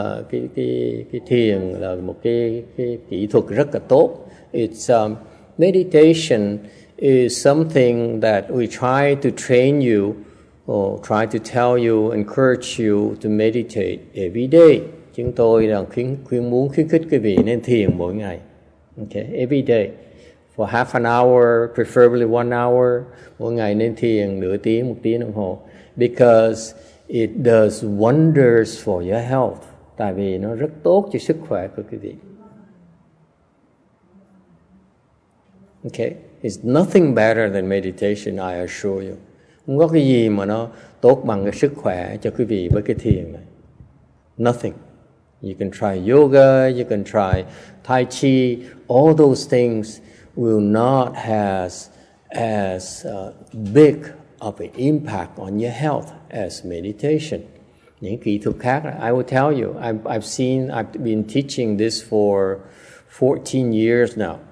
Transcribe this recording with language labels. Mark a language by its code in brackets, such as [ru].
[vi] Cái thiền là một cái kỹ thuật rất là tốt. [en] It's meditation is something that we try to train you, or try to tell you, encourage you to meditate every day. [vi] Chúng tôi là khuyến khích quý vị nên thiền mỗi ngày. [en] Okay, every day. For half an hour, preferably 1 hour. [vi] Mỗi ngày nên thiền nửa tiếng, một tiếng đồng hồ. [en] Because it does wonders for your health. [vi] Tại vì nó rất tốt cho sức khỏe của quý vị. [en] Okay, it's nothing better than meditation, I assure you. [vi] Không có cái gì mà nó tốt bằng cái sức khỏe cho quý vị với cái thiền này. [en] Nothing. You can try yoga, you can try tai chi, all those things will not have as big of an impact on your health as meditation. [vi] Những kỹ thuật khác, [en] I will tell you, I've been teaching this for 14 years now.